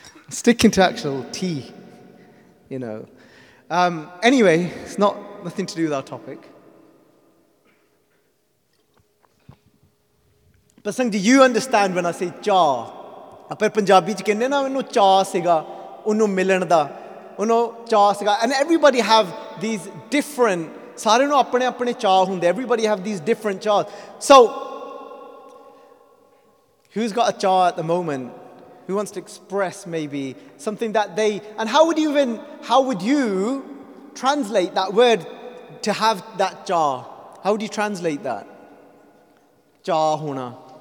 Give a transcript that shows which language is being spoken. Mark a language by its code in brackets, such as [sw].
[en] Sticking to actual tea, you know. Anyway, it's nothing to do with our topic. But Sangh, do you understand when I say cha? [pa] ਅਪਰ ਪੰਜਾਬੀ ਚ ਕਹਿੰਦੇ ਨਾ ਮੈਨੂੰ ਚਾ ਸੀਗਾ, ਉਨੂੰ ਮਿਲਣ ਦਾ। ਉਨੂੰ ਚਾ ਸੀਗਾ। [en] And everybody have these different, [pa] ਸਾਰੇ ਨੂੰ ਆਪਣੇ ਆਪਣੇ ਚਾ ਹੁੰਦੇ। [en] Everybody have these different chas. So, who's got a cha at the moment? Who wants to express maybe something that they, and how would you translate that word to have that cha? How would you translate that? [pa] Cha hona.